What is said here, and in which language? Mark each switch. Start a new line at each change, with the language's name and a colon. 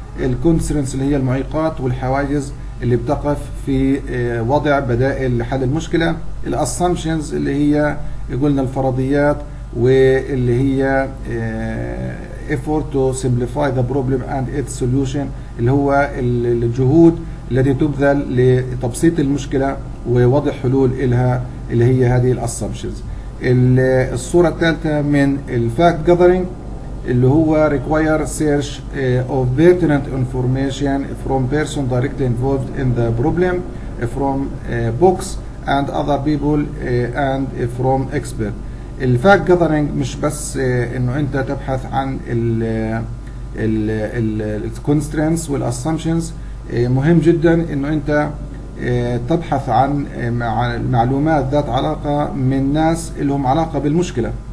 Arabic: الكونسترينتس اللي هي المعيقات والحواجز اللي بتقف في وضع بدائل لحل المشكلة. الأسامبشنز اللي هي قلنا الفرضيات واللي هي
English: effort to simplify the problem and its solution،
Arabic: اللي هو الجهود التي تبذل لتبسيط المشكلة ووضع حلول إلها، اللي هي هذه assumptions. الصورة الثالثة من
English: fact gathering
Arabic: اللي هو
English: require search of pertinent information from person directly involved in the problem, from books and other people and from expert.
Arabic: الفاك جاذرنج مش بس انه انت تبحث عن الكونسترينتس والاسامبشنز، مهم جدا انه انت تبحث عن معلومات ذات علاقه من ناس لهم علاقه بالمشكله،